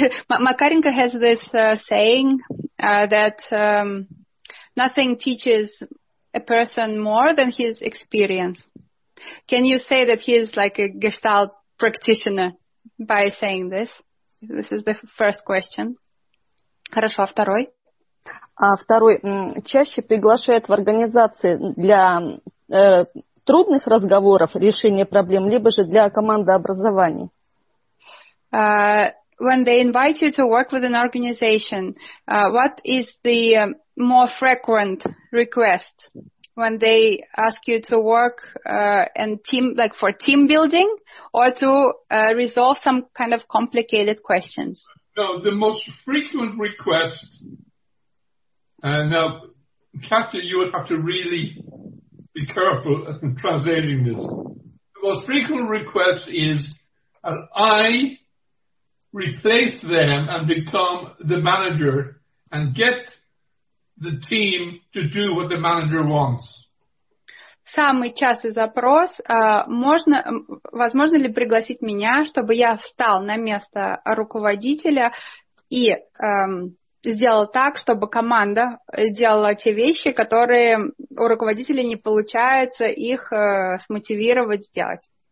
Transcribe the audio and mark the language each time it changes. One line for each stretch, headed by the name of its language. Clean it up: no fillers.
English: Макаренко has this saying that nothing teaches a person more than his experience. Can you say that he is like a gestalt practitioner by saying this? This is the first question.
Russian: Хорошо, второй. А второй. Чаще приглашают в организации для трудных разговоров, решения проблем, либо же для командообразования.
English: When they invite you to work with an organization, what is the more frequent request? When they ask you to work and team, like for team building, or to resolve some kind of complicated questions? No, the most frequent request. Now, Katya, you would have to really be careful in translating this. The most frequent request is that I replace them and become the manager and get the team to do what the manager wants.
Russian: Самый частый запрос, возможно ли пригласить меня, чтобы я встал на место руководителя и сделал так, чтобы команда делала те вещи, которые у руководителя не получается их смотивировать сделать.